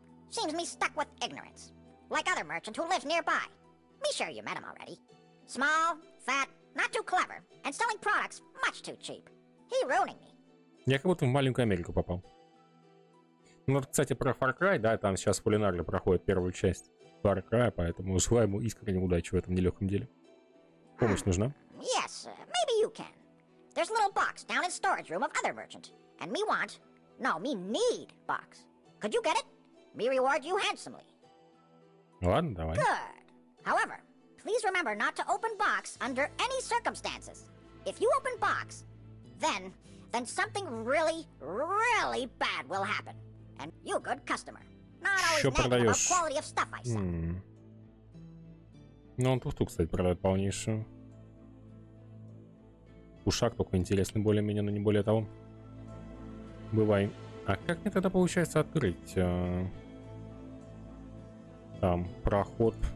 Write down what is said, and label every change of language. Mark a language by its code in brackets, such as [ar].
[en] Seems me stuck with ignorance, like other merchant who lives nearby. Me sure you met him already. Small, fat, not too clever, and selling products much too cheap. He ruining me. [ru] Я как будто в маленькую Америку попал. Ну, кстати, про Far Cry, да, там сейчас в кулинарии проходит первую часть Far Cry, поэтому желаю ему искренне удачи в этом нелегком деле. Помощь нужна? [en] Yes, maybe you can. There's a little box down in storage room of other merchant, and me want, no, me need box. Could you get it? Me reward you handsomely. [ru] Ладно, давай. [en] Good. However, please remember not to open box under any circumstances. If you open box, then something really, really bad will happen. And you good customer. Not always negative about quality of stuff, I say. [ru] Ну, он тут, кстати, продает полнейшую. Ушак только интересный более-менее, но не более того. Бывай. А как мне тогда получается открыть... Там проход.